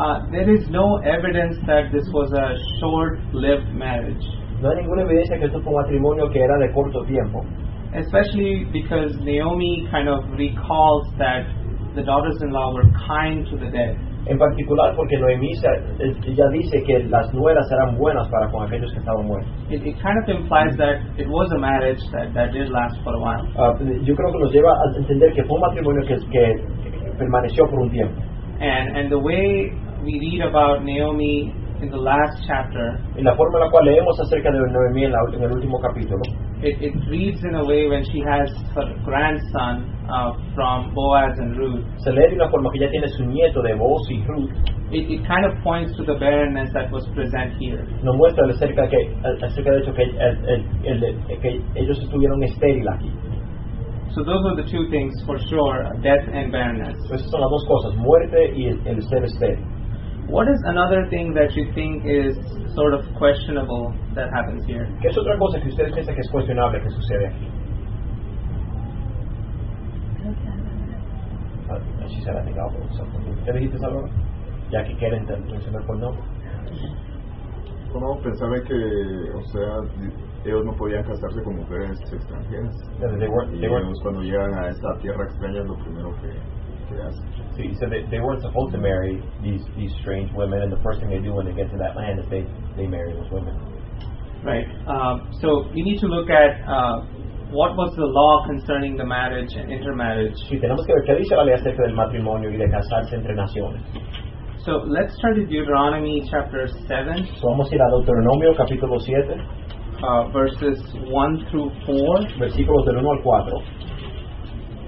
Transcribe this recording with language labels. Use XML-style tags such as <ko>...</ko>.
<en>There is no evidence that this was a short-lived marriage.</en> <es>No hay ninguna evidencia que esto fue un matrimonio que era de corto tiempo.</es> <en>Especially because Naomi kind of recalls that the daughters-in-law were kind to the dead.</en> <es>En particular porque Noemí ya dice que las nueras eran buenas para con aquellos que estaban muertos.</es> <en>It kind of implies that it was a marriage that did last for a while.</en> <es>Yo creo que nos lleva a entender que fue un matrimonio que permaneció por un tiempo.</es> <en>And the way we read about Naomi in the last chapter,</en> <es>y la forma en la cual leemos acerca de Noemí en el último capítulo,</es> <en>it reads in a way when she has her grandson from Boaz and Ruth.</en> <es>Se lee de una forma que ya tiene su nieto de Boaz y Ruth.</es> <en>It kind of points to the barrenness that was present here.</en> <es>Nos muestra acerca de hecho que el que ellos estuvieron estéril aquí.</es> <en>So those are the two things for sure: death and barrenness.</en> <es>Esas son las dos cosas: muerte y el ser estéril.</es> <en>What is another thing that you think is sort of questionable that happens here?</en> <es>¿Qué es otra cosa que ustedes piensan que es cuestionable que sucede aquí?</es> <en>She said, I think I'll vote something.</en> <es>¿Qué dijiste, Salvador? Ya que quieren mencionar por nombre. Bueno, pensaba que, o sea, ellos no podían casarse con mujeres extranjeras.</es> <en>Yeah, they</en> <es>cuando llegan a esta tierra extraña, es lo primero que hacen.</es> <en>So you said they weren't supposed to marry these strange women, and the first thing they do when they get to that land is they marry those women. Right. So you need to look at what was the law concerning the marriage and intermarriage.</en> <es>Sí, tenemos que ver qué dice la ley acerca del matrimonio y de casarse entre naciones.</es> <en>So let's turn to Deuteronomy chapter 7.</en> <es>So vamos a ir a Deuteronomio capítulo 7.</es> <en>Verses 1 through 4.</en> <es>Versículos del 1 al 4.</es>